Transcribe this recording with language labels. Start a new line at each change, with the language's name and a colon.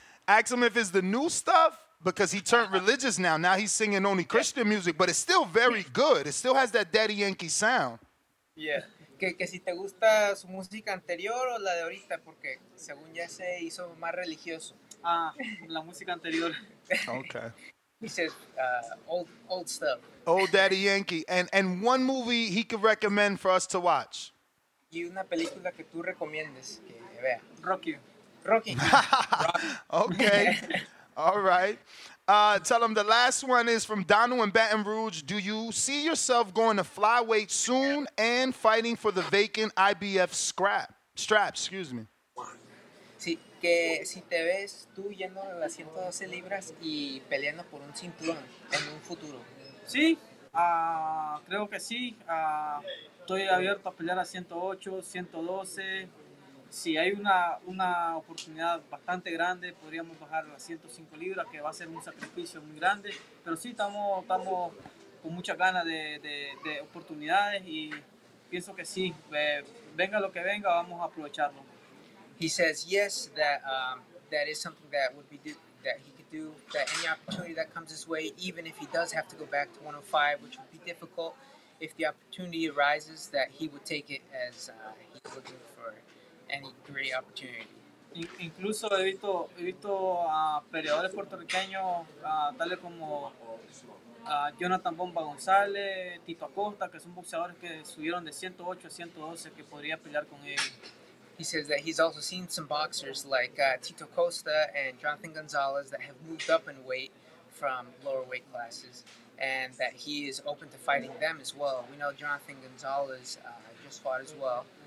English: Ask him if it's the new stuff, because he turned religious now. Now he's singing only Christian music, but it's still very good. It still has that Daddy Yankee sound. Yeah.
Spanish: Que si te gusta su música anterior o la de ahorita, porque según ya se hizo más religioso. Ah, la música anterior.
English: Okay. He says old stuff. Old Daddy Yankee. And one movie he could recommend for us to watch.
Spanish: Y una película que tú recomiendes que vea. Rocky.
English: Rocky. Okay. All right. Tell them the last one is from Donald in Baton Rouge. Do you see yourself going to flyweight soon and fighting for the vacant IBF strap? Excuse me.
Spanish: Sí, que si te ves tú yendo a las 112 libras y peleando por un cinturón en un futuro. Sí, creo que sí. Estoy abierto a pelear a 108, 112. Si hay una oportunidad bastante grande, podríamos bajar a 105 libras, que va a ser un sacrificio muy grande. Pero sí, estamos con muchas ganas de oportunidades y pienso que sí, venga lo que venga, vamos a aprovecharlo.
English: He says yes, that is something that would be that he could do, that any opportunity that comes his way, even if he does have to go back to 105, which would be difficult, if the opportunity arises, that he would take it as he's looking for any great opportunity.
Spanish: Incluso he visto a peleadores puertorriqueños tales como Jonathan Bomba González, Tito Acosta, que son boxeadores que subieron de 108 a 112, que podría pelear con ellos.
English: He says that he's also seen some boxers like Tito Acosta and Jonathan Gonzalez that have moved up in weight from lower weight classes, and that he is open to fighting them as well. We know Jonathan Gonzalez just fought as well.